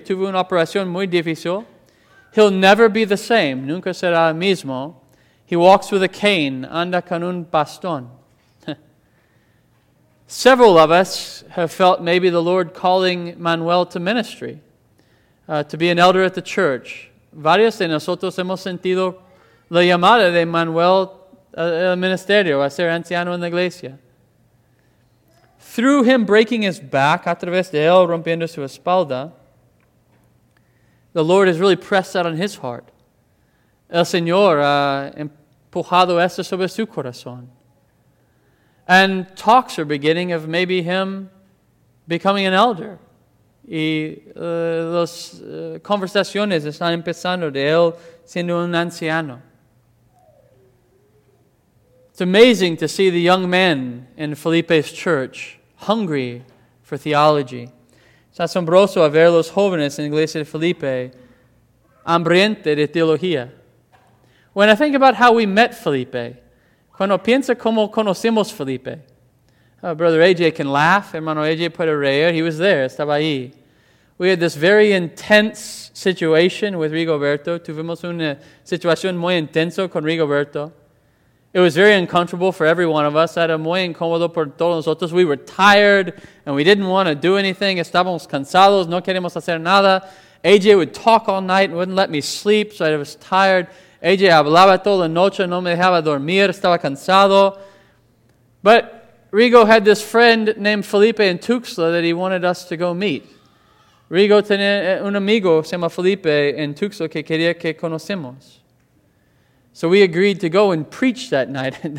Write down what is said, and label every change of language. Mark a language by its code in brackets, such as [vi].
[es] Tuvo una operación muy difícil. [en] He'll never be the same. [es] Nunca será el mismo. [en] He walks with a cane. [es] Anda con un bastón. [en] Several of us have felt maybe the Lord calling Manuel to ministry, to be an elder at the church. [es] Varios de nosotros hemos sentido la llamada de Manuel al ministerio, a ser anciano en la iglesia. [en] Through him breaking his back, [es] a través de él rompiendo su espalda, [en] the Lord has really pressed that on his heart. [es] El Señor ha empujado eso sobre su corazón. [en] And talks are beginning of maybe him becoming an elder. [es] Y las conversaciones están empezando de él siendo un anciano. [en] It's amazing to see the young men in Felipe's church hungry for theology. [es] Es asombroso a ver los jóvenes en la iglesia de Felipe hambriente de teología. [en] When I think about how we met Felipe, [es] cuando pienso cómo conocimos Felipe, [en] Brother AJ can laugh, [es] hermano AJ puede reír, [en] he was there, [es] estaba ahí. [en] We had this very intense situation with Rigoberto. [es] Tuvimos una situación muy intensa con Rigoberto. [en] It was very uncomfortable for every one of us. [es] Era muy incómodo por todos nosotros. [en] We were tired and we didn't want to do anything. [es] Estábamos cansados, no queríamos hacer nada. [en] AJ would talk all night and wouldn't let me sleep, so I was tired. [es] AJ hablaba toda la noche, no me dejaba dormir, estaba cansado. [en] But Rigo had this friend named Felipe in Tuxtla that he wanted us to go meet. [es] Rigo tenía un amigo, se llama Felipe, en Tuxtla que quería que conocemos. [en] So we agreed to go and preach that night.